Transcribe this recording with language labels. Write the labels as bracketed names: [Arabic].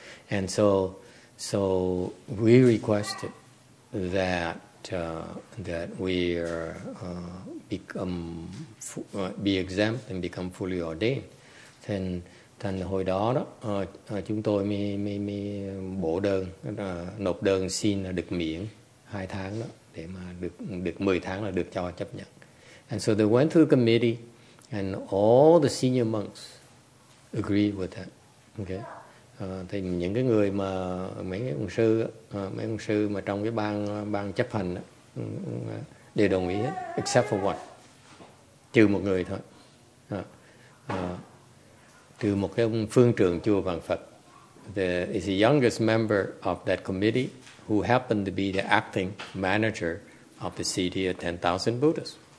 [English] And so we requested that we become be exempt and become fully ordained. [Vietnamese] Thành hồi đó đó chúng tôi mới bổ đơn nộp đơn xin là được miễn 2 tháng đó để mà được 10 tháng là được cho chấp nhận. [English] And so they went to the committee and all the senior monks agreed with that. Okay. [Vietnamese] Thì những cái người mà mấy ông sư mà trong cái ban chấp hành đó, đều đồng ý hết, [English] except for one, [Vietnamese] trừ một người thôi, trừ một cái ông phương trưởng chùa Vạn Phật, [English] is the youngest member of that committee who happened to be the acting manager of the city of 10,000 Buddhas.